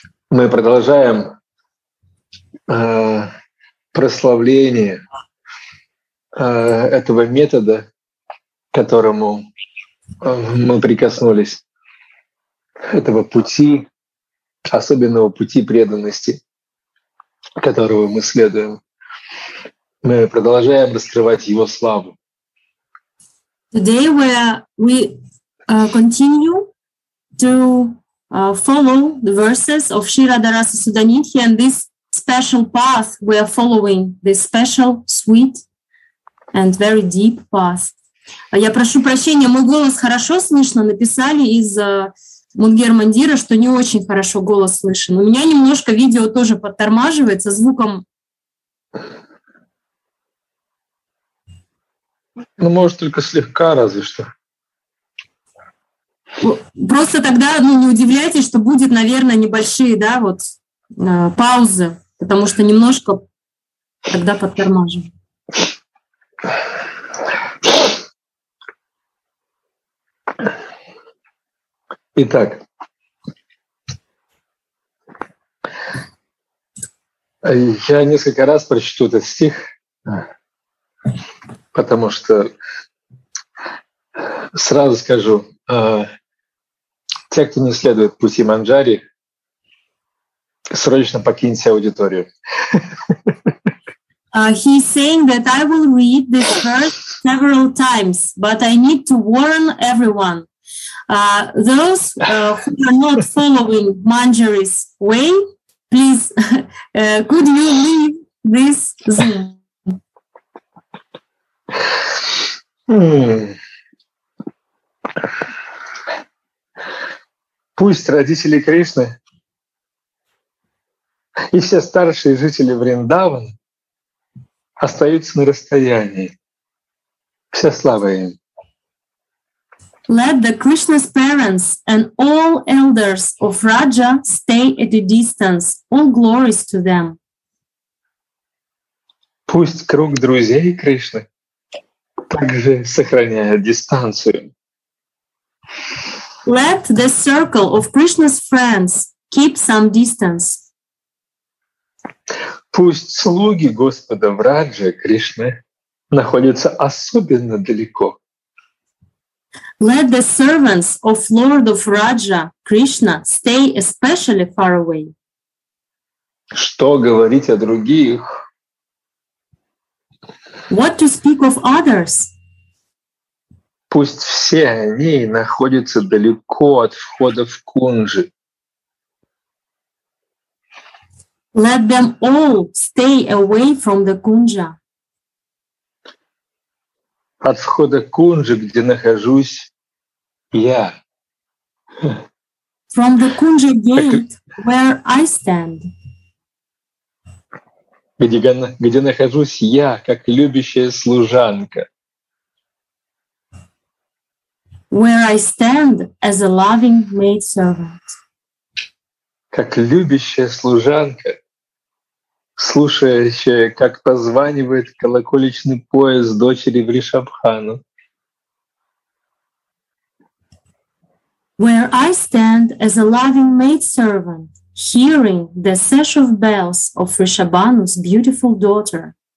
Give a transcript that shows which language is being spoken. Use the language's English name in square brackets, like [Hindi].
[Russian] Мы продолжаем прославление этого метода, которому мы прикоснулись, этого пути, особенного пути преданности, которого мы следуем. Мы продолжаем раскрывать его славу. [English] Today we continue to follow the verses of Shri Radharasa Sudhanidhi and this special path we are following, this special, sweet and very deep path. [Russian] Я прошу прощения, мой голос хорошо слышно? Написали из Мунгер-Мандира, что не очень хорошо голос слышен. У меня немножко видео тоже подтормаживается звуком. Ну, может, только слегка, разве что. Просто тогда, ну, не удивляйтесь, что будет, наверное, небольшие, да, вот, паузы, потому что немножко тогда подтормажу. Итак. Я несколько раз прочту этот стих. Потому что сразу скажу, те, кто не следует пути Манджари, срочно покиньте аудиторию. [English] He's saying that I will read this verse several times, but I need to warn everyone. Those who are not following Manjari's way, please, could you leave this Zoom? [Russian] Пусть родители Кришны и все старшие жители Вриндавана остаются на расстоянии. Вся слава им. [English] Let the Krishna's parents and all elders of Raja stay at a distance. All glories to them. [Russian] Пусть круг друзей Кришны также сохраняя дистанцию. [English] Let the circle of Krishna's friends keep some distance. [Russian] Пусть слуги Господа в Раджа Кришны находятся особенно далеко. [English] Let the servants of Lord of Raja Krishna stay especially far away. [Russian] Что говорить о других? [English] What to speak of others? [Russian] Пусть все они находятся далеко от входа в кунджи. [English] Let them all stay away from the kunja. [Russian] От входа кунджи, где нахожусь я. [English] From the kunja gate where I stand. [Russian] Где нахожусь я, как любящая служанка. [English] Where I stand as a loving maid servant. [Russian] Как любящая служанка, слушающая, как позванивает колокольчный пояс дочери Вришабхану. [English] Where I stand as a loving maid servant, hearing the sash of bells of Vrishabhanu's beautiful daughter.